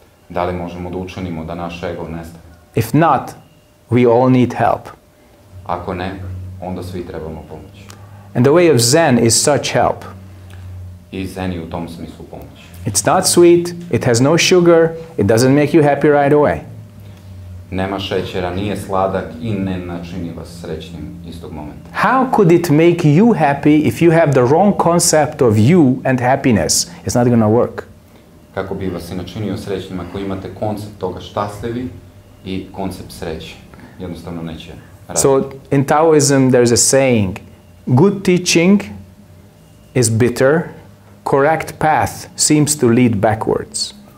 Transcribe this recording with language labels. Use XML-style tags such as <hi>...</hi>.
<sr>Da li možemo da učinimo da naš ego nestane?</sr> <en>If not, we all need help.</en> <sr>Ako ne, onda svi trebamo pomoć.</sr> <en>And the way of Zen is such help.</en> <sr>I Zen u tom smislu pomoć.</sr> <en>It's not sweet, it has no sugar, it doesn't make you happy right away.</en> <sr>Nema šećera, nije sladak i ne načini vas srećnim istog momenta.</sr> <en>How could it make you happy if you have the wrong concept of you and happiness? It's not gonna work.</en> <sr>Kako bi vas i načinio srećnim ako imate koncept toga šta ste vi i koncept sreće? Jednostavno neće raditi.</sr> <en>So, in Taoism there's a saying, good teaching is bitter, correct path seems to lead backwards.</en>